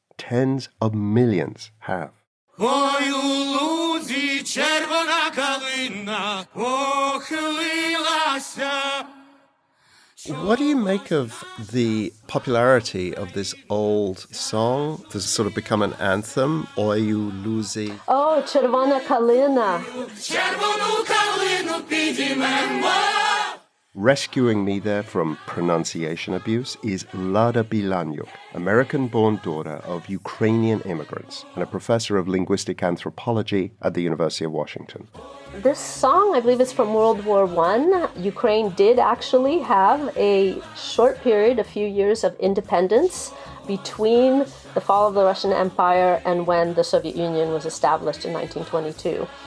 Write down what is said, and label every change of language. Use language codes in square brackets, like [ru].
[en] Tens of millions have. What do you make of the popularity of this old song? Does it sort of become an anthem? [uk] Ою Лузі? Oh, Червона Калина. Червону калину підіймемо. [en] Rescuing me there from pronunciation abuse is Lada Bilanyuk, American-born daughter of Ukrainian immigrants and a professor of linguistic anthropology at the University of Washington. This song, I believe, is from World War I. Ukraine did actually have a short period, a few years of independence between the fall of the Russian Empire and when the Soviet Union was established in 1922.